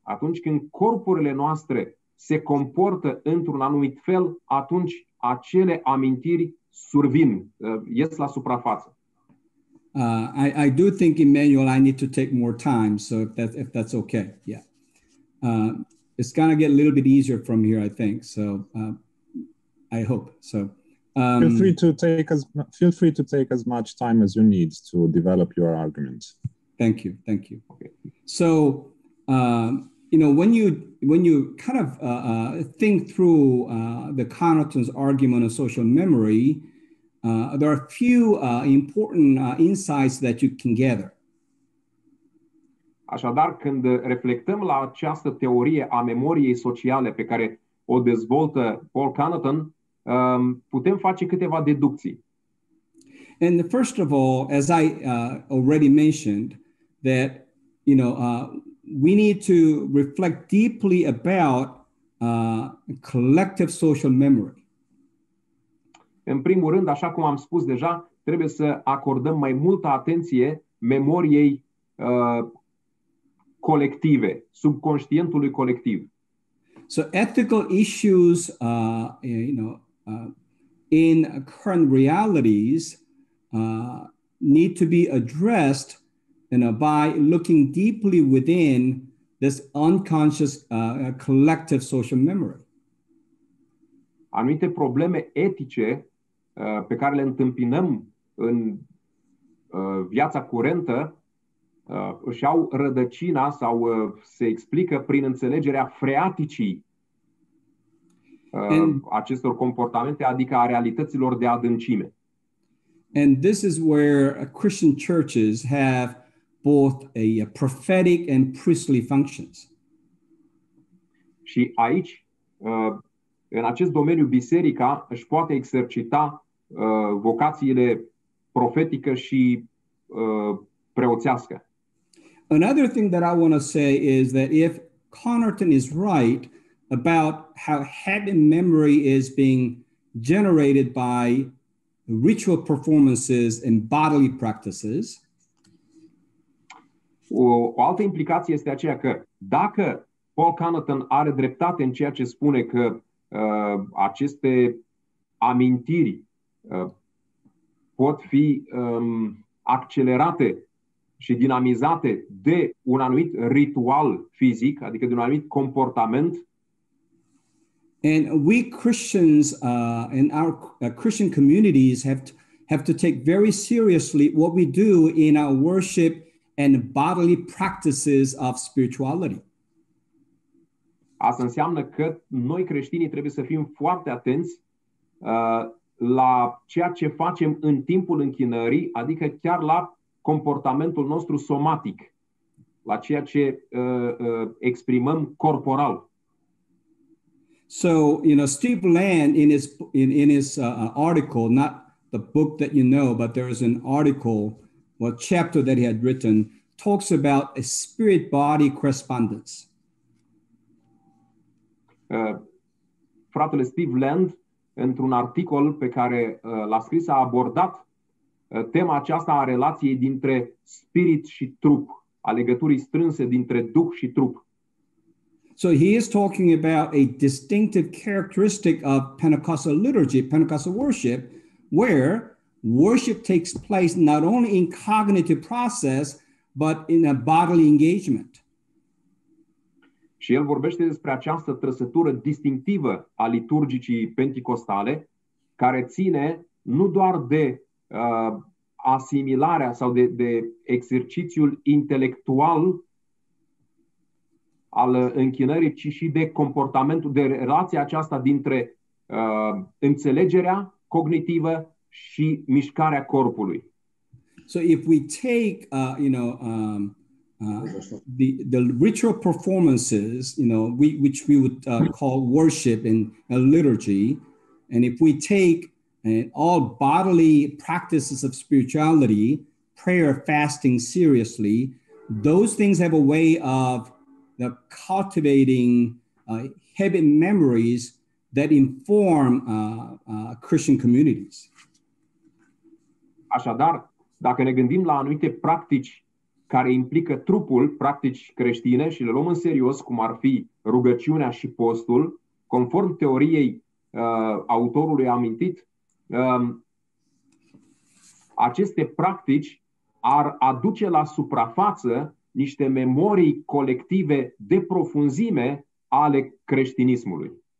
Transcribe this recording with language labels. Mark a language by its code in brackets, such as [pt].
[ro] Atunci când corpurile noastre se comportă într-un anumit fel, atunci acele amintiri survin, ies la suprafață. [en] I do think, Emmanuel, I need to take more time, so if that's okay, yeah. It's going to get a little bit easier from here, I think, so I hope so. Feel free to take as much time as you need to develop your argument. Thank you. Okay. So, you know, when you kind of think through the Connerton's argument of social memory, there are a few important insights that you can gather. [ro] Așadar, când reflectăm la această teorie a memoriei sociale pe care o dezvoltă Paul Connerton, putem face câteva deducții. [en] And first of all, as I already mentioned, that, you know, we need to reflect deeply about collective social memory. [ro] În primul rând, așa cum am spus deja, trebuie să acordăm mai multă atenție memoriei colective, subconștientului colectiv. [en] So ethical issues, you know, in current realities need to be addressed, you know, by looking deeply within this unconscious collective social memory. [ro] Anumite probleme etice pe care le întâmpinăm în viața curentă își au rădăcina sau se explică prin înțelegerea freaticii acestor comportamente, adică a realităților de adâncime. [en] And this is where Christian churches have both a prophetic and priestly functions. [ro] Și aici, în acest domeniu, biserica își poate exercita vocațiile profetică și preoțească. [en] Another thing that I want to say is that if Connerton is right about how heaven memory is being generated by ritual performances and bodily practices. [ro] O altă implicație este aceea că dacă Paul Connerton are dreptate în ceea ce spune că aceste amintiri pot fi accelerate și dinamizate de un anumit ritual fizic, adică de un anumit comportament. [en] And we Christians in our Christian communities have to take very seriously what we do in our worship and bodily practices of spirituality. [ro] Asta înseamnă că noi creștinii trebuie să fim foarte atenți la ceea ce facem în timpul închinării, adică chiar la comportamentul nostru somatic, la ceea ce exprimăm corporal. [en] So, you know, Steve Land in his article, not the book that you know, but there is an article, well, chapter that he had written, talks about a spirit-body correspondence. [ro] Fratele Steve Land, într-un articol pe care l-a scris, a abordat tema aceasta a relației dintre spirit și trup, a legăturii strânse dintre duh și trup. [en] So he is talking about a distinctive characteristic of Pentecostal liturgy, Pentecostal worship, where worship takes place not only in cognitive process, but in a bodily engagement. [ro] Și el vorbește despre această trăsătură distinctivă a liturgicii pentecostale, care ține nu doar de asimilarea sau de exercițiul intelectual al închinării, ci și de comportamentul, de relația aceasta dintre înțelegerea cognitivă și mișcarea corpului. [en] So if we take the ritual performances, you know, which we would call worship in a liturgy, and if we take all bodily practices of spirituality, prayer, fasting seriously, those things have a way of the cultivating heaven memories that inform Christian communities. [ro] Așadar, dacă ne gândim la anumite practici care implică trupul, practici creștine, și le luăm în serios, cum ar fi rugăciunea și postul, conform teoriei autorului amintit, aceste practici ar aduce la suprafață niște memorii colective de profunzime ale creștinismului.